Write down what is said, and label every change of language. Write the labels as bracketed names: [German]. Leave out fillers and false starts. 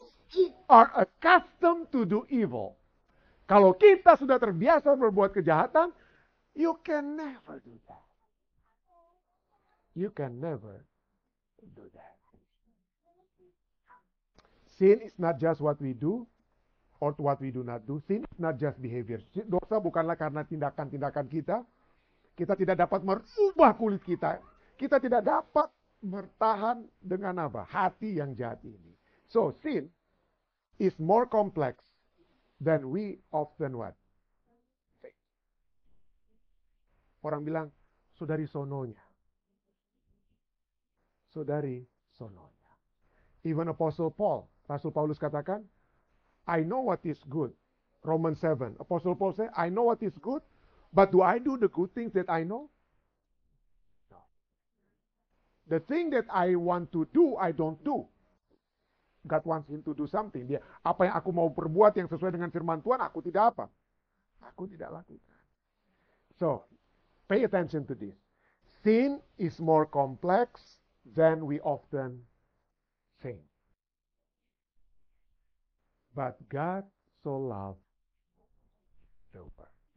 [English] We are accustomed to do evil. [Indonesian] Kalau kita sudah terbiasa berbuat kejahatan, [English] you can never do that. You can never do that. Sin is not just what we do or what we do not do. Sin is not just behavior. [Indonesian] Dosa bukanlah karena tindakan-tindakan kita. Kita tidak dapat merubah kulit kita. Kita tidak dapat bertahan dengan apa? Hati yang jahat ini. [English] So, sin is more complex than we often what? [Indonesian] Orang bilang, saudari sononya. Saudari sononya. [English] Even Apostle Paul, [Indonesian] Rasul Paulus katakan, [English] I know what is good. Romans 7. Apostle Paul say, I know what is good, but do I do the good things that I know? No. The thing that I want to do, I don't do. God wants him to do something. [Indonesian] Dia, apa yang aku mau perbuat yang sesuai dengan firman Tuhan, aku tidak apa? Aku tidak lakukan. [English] So, pay attention to this. Sin is more complex than we often think. But God so loved the world.